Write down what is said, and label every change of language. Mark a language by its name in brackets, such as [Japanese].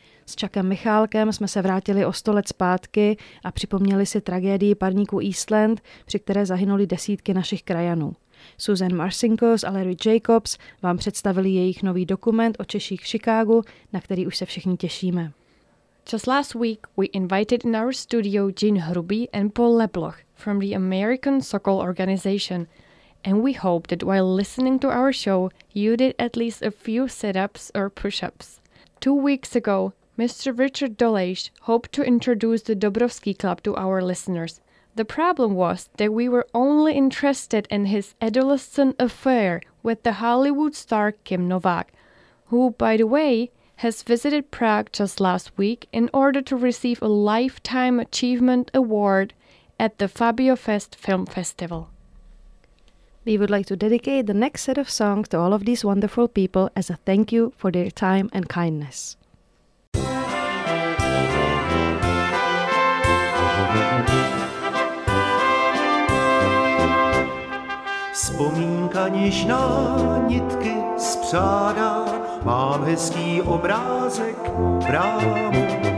[Czech] S Čakem Michálkem jsme se vrátili o 100 let zpátky a připomněli si tragédii parníku Eastland, při které zahynuli desítky našich krajanů. Susan Marcinkos a Larry Jacobs vám představili jejich nový dokument o Češích v Chicagu, na který už se všichni těšíme. [English] Just last week, we invited in our studio Jean Hruby and Paul Leploch from the American Sokol Organization. And we hope that while listening to our show, you did at least a few sit-ups or push-ups. 2 weeks ago, Mr. Richard Dolejš hoped to introduce the Dobrovský Club to our listeners. The problem was that we were only interested in his adolescent affair with the Hollywood star Kim Novak, who, by the way, has visited Prague just last week in order to receive a Lifetime Achievement Award at the Fabio Fest Film Festival. We would like to dedicate the next set of songs to all of these wonderful people as a thank you for their time and kindness. [Czech] Vzpomínka něžná, nitky spřádá, mám hezký obrázek brámu.